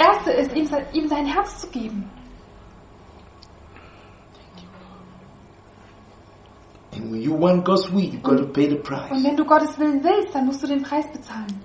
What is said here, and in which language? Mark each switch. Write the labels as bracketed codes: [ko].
[de] Das erste ist, ihm sein Herz zu geben. [en] And when you want God's will, you've got to pay the price. [de] Und wenn du Gottes Willen willst, dann musst du den Preis bezahlen.